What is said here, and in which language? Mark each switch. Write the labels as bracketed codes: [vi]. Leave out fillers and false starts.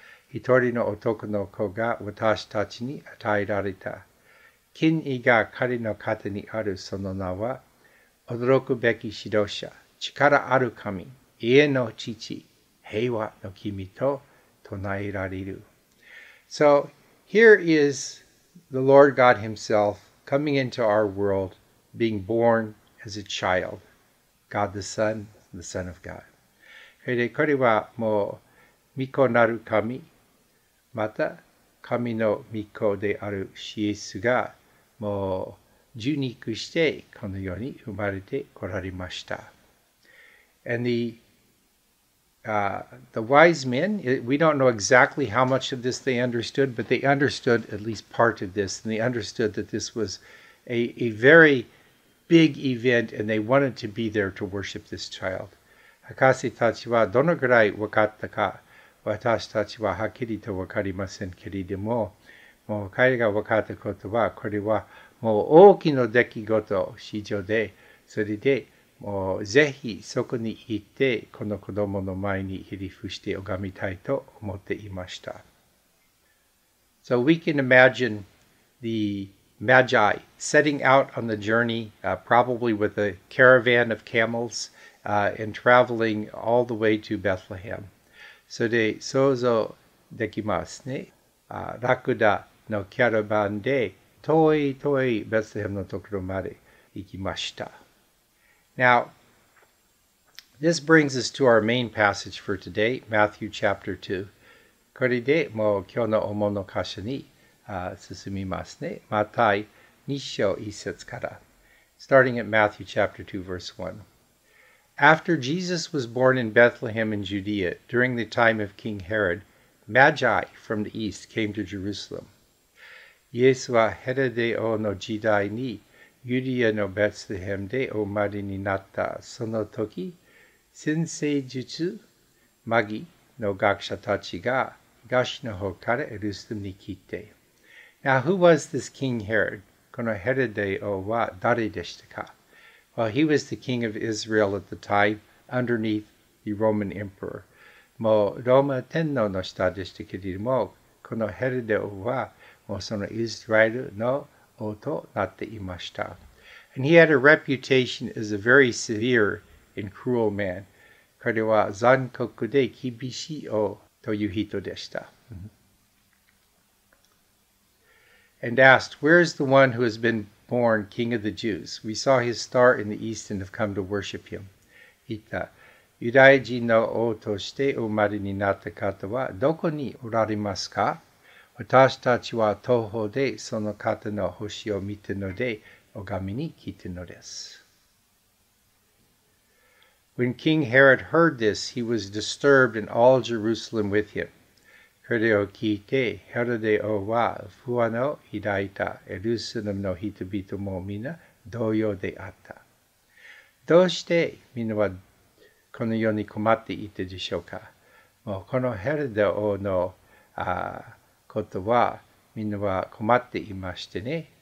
[ja] 一人の男の子が私たちに与えられた。権威が彼の肩にあるその名は、驚くべき指導者、力ある神、家の父、平和の君と唱えられる。 [en] So here is the Lord God himself coming into our world, being born as a child. God the Son of God. [ja] これはもう、御子なる神、また神の御子であるイエスが、もう受肉してこの世に生まれてこられました。 [en] And the wise men, we don't know exactly how much of this they understood, but they understood at least part of this, and they understood that this was a very big event, and they wanted to be there to worship this child. [ja] 博士たちはどのぐらい分かったか、私たちははっきりと分かりませんけれども、もう彼が分かったことは、これはもう大きな出来事、史上で、それで、もうぜひそこに行って、この子供の前にひりふして拝みたいと思っていました。 [en] So we can imagine the Magi setting out on the journey, probably with a caravan of camels, and traveling all the way to Bethlehem. [ja] So で想像できますね。ラクダのキャラバンで遠い Bethlehem のところまで行きました。 [en] Now, this brings us to our main passage for today, Matthew chapter 2. [ja] これでもう今日の主の箇所に進みますね。マタイ2章1節から。 [en] Starting at Matthew chapter 2, verse 1. After Jesus was born in Bethlehem in Judea, during the time of King Herod, Magi from the east came to Jerusalem. [ja] イエスはヘロデ王の時代にユダヤのベツレヘムでお生まれになった。その時、占星術、マギの学者たちが東の方からエルサレムに来て。 [en] Now, who was this King Herod? [ja] このヘロデ王は誰でしたか? [en] Well, he was the king of Israel at the time, underneath the Roman emperor. [ja] もうローマ天皇の下でしたけれども、このヘロデ王はもうそのイスラエルの王となっていました。 [en] And he had a reputation as a very severe and cruel man. [ja] 彼は残酷で厳しい王という人でした。 [en] And asked, where is the one who has been born king of the Jews? We saw his star in the east and have come to worship him. [ja] 言った、ユダヤ人の王として生まれになった方はどこにおられますか？私たちは東方でその方の星を見たので、拝みに来たのです。 [en] When King Herod heard this, he was disturbed and all Jerusalem with him. [ja] これを聞いて、ヘロデ王は不安を抱いた。エルサレムの人々もみんな同様であった。どうしてみんなはこの世に困っていたでしょうか？もうこのヘロデ王のことはみんなは困っていましてね。